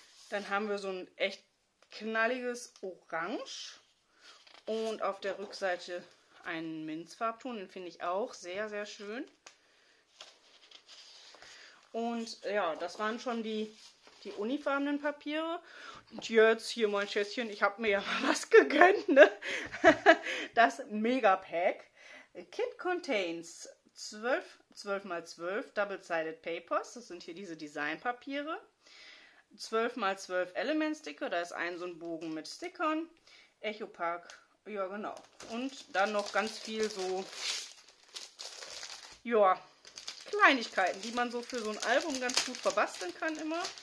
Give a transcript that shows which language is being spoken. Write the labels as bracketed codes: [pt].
[de] Dann haben wir so ein echt knalliges Orange und auf der Rückseite einen Minzfarbton, den finde ich auch sehr, sehr schön. Und ja, das waren schon die unifarbenen Papiere. Und jetzt hier mein Schätzchen, ich habe mir ja mal was gegönnt, ne? Das Megapack. [en] Kit contains 12, 12x12 Double-Sided Papers. [de] Das sind hier diese Designpapiere. 12x12 Element-Sticker. Da ist ein so ein Bogen mit Stickern. Echopark. Ja, genau. Und dann noch ganz viel so, ja, Kleinigkeiten, die man so für so ein Album ganz gut verbasteln kann immer.